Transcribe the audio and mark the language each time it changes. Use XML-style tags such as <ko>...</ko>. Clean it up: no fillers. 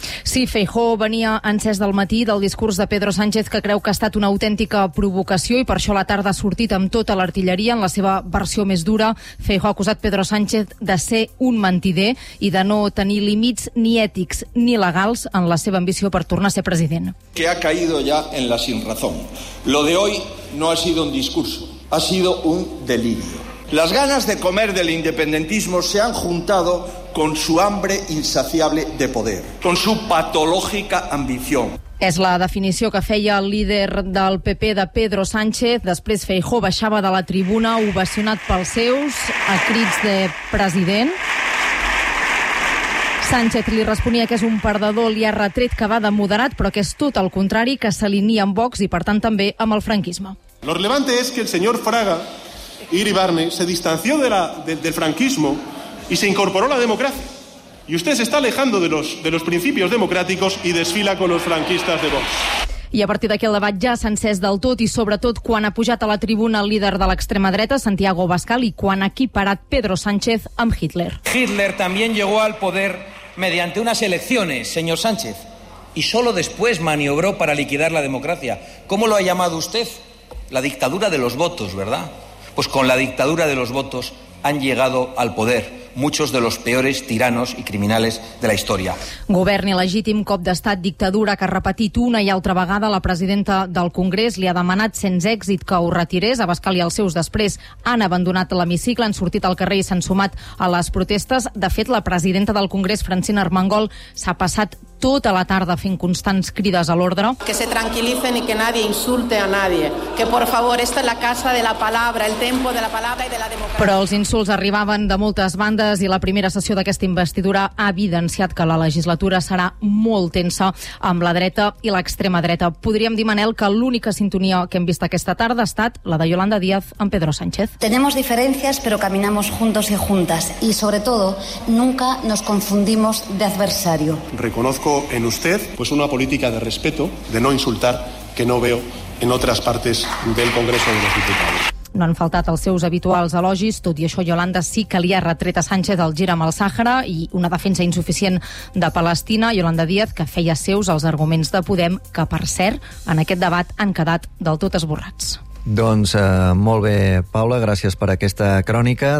<ca>Sí, Feijóo venia encès del matí del discurs de Pedro Sánchez, que creu que ha estat una autèntica provocació, i per això la tarda ha sortit amb tota l'artilleria en la seva versió més dura. Feijóo ha acusat Pedro Sánchez de ser un mentider i de no tenir límits ni ètics ni legals en la seva ambició per tornar a ser president.</ca> <es>Que ha caído ya en la sinrazón. Lo de hoy no ha sido un discurso, ha sido un delirio. Las ganas de comer del independentismo se han juntado con su hambre insaciable de poder, con su patológica ambición.</es> <ca>És la definició que feia el líder del PP de Pedro Sánchez. Després Feijóo baixava de la tribuna ovacionat pels seus a crits de president. Sánchez li responia que és un perdedor, li ha retret que va de moderat, però que és tot el contrari, que s'alinia amb Vox i, per tant, també amb el franquisme.</ca> <es>Lo relevante es que el señor Fraga Iribarne se distanció del franquismo y se incorporó a la democracia. Y usted se está alejando de los principios democráticos y desfila con los franquistas de Vox.</es> <ca>I a partir d'aquí el debat ja s'ha encès del tot, i sobretot quan ha pujat a la tribuna el líder de l'extrema dreta, Santiago Abascal, i quan ha equiparat Pedro Sánchez amb Hitler.</ca> <es>Hitler también llegó al poder mediante unas elecciones, señor Sánchez, y solo después maniobró para liquidar la democracia. ¿Cómo lo ha llamado usted? La dictadura de los votos, ¿verdad? Pues con la dictadura de los votos han llegado al poder muchos de los peores tiranos y criminales de la historia.</es> <ca>Govern il·legítim, cop d'estat, dictadura, que ha repetit una i altra vegada la presidenta del Congrés. Li ha demanat sense èxit que ho retirés. Abascal i els seus després han abandonat l'hemicicle, han sortit al carrer i s'han sumat a les protestes. De fet, la presidenta del Congrés, Francina Armengol, s'ha passat tota la tarda fent constants crides a l'ordre.</ca> <es>Que se tranquilicen y que nadie insulte a nadie. Que, por favor, esta es la casa de la palabra, el tempo de la palabra y de la democracia.</es> <ca>Però els insults arribaven de moltes bandes, i la primera sessió d'aquesta investidura ha evidenciat que la legislatura serà molt tensa amb la dreta i l'extrema dreta. Podríem dir, Manel, que l'única sintonia que hem vist aquesta tarda ha estat la de Yolanda Díaz amb Pedro Sánchez.</ca> <es>Tenemos diferencias, pero caminamos juntos y juntas. Y, sobre todo, nunca nos confundimos de adversario. Reconozco en usted pues una política de respeto, de no insultar, que no veo en otras partes del Congreso de los Diputados.</es> <ca>No han faltat els seus habituals elogis. Tot i això, Yolanda sí que li ha retret a Sánchez el gir amb el Sàhara i una defensa insuficient de Palestina. Yolanda Díaz, que feia seus els arguments de Podem, que, per cert, en aquest debat han quedat del tot esborrats. Doncs molt bé, Paula, gràcies per aquesta crònica.</ca>